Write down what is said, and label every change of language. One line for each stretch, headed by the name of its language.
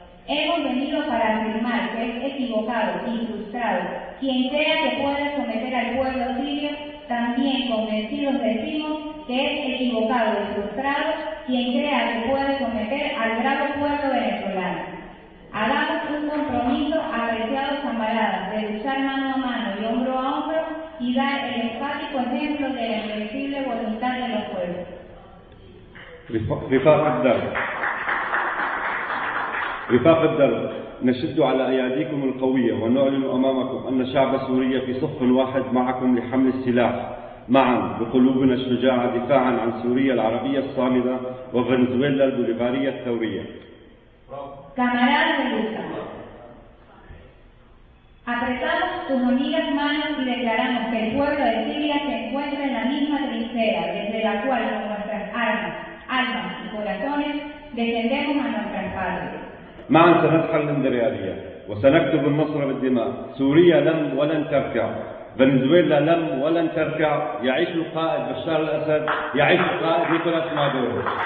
Spanish: Hemos venido para afirmar que es equivocado y frustrado quien crea que puede someter al pueblo sirio, también convencidos decimos que es equivocado y frustrado quien crea que puede someter al bravo pueblo venezolano. Hagamos un compromiso, apreciados camaradas, de luchar mano a mano y hombro a hombro y dar el enfático ejemplo de la invencible voluntad de los pueblos.
Arabic: رفاق الدرب، نشد على أياديكم القوية ونعلن أمامكم أن شعب سوريا في صف واحد معكم لحمل السلاح معا بقلوبنا الشجاعة دفاعا عن سوريا العربية الصامدة وفنزويلا البوليفارية الثورية.
Spanish: Camaradas de lucha, Apretamos con unidas manos y declaramos que el pueblo de Siria se encuentra en la misma trinchera desde la cual con nuestras armas, almas y corazones defendemos a nuestras padres.
Arabic: معا سنفحل الاندريالية وسنكتب النصر بالدماء. سوريا لم ولن تركع. فنزويلا لم ولن تركع. يعيش القائد بشار الأسد. يعيش القائد نيكولاس مادورو.